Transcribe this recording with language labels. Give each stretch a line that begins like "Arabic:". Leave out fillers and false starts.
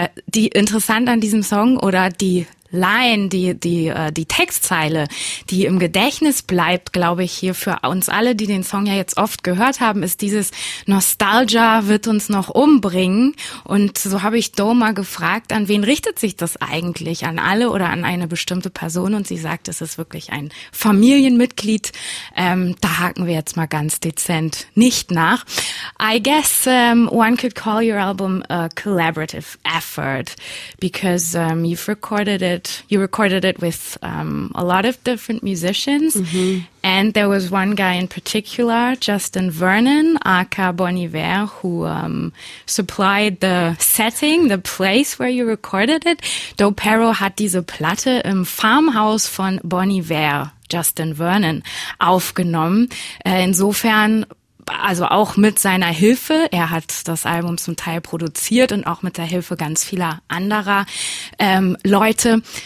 German: Die interessant an diesem Song oder die Line, die Textzeile, die im Gedächtnis bleibt, glaube ich, hier für uns alle, die den Song ja jetzt oft gehört haben, ist dieses Nostalgia wird uns noch umbringen. Und so habe ich Do mal gefragt, an wen richtet sich das eigentlich, an alle oder an eine bestimmte Person? Und sie sagt, es ist wirklich ein Familienmitglied. Da haken wir jetzt mal ganz dezent nicht nach.
English: I guess one could call your album a collaborative effort, because you recorded it with a lot of different musicians, mm-hmm. and there was one guy in particular, Justin Vernon, aka Bon Iver, who supplied the setting, the place where you recorded it.
German: Dopero hat diese Platte im Farmhaus von Bon Iver, Justin Vernon, aufgenommen. Insofern, also auch mit seiner Hilfe, er hat das Album zum Teil produziert und auch mit der Hilfe ganz vieler anderer Leute.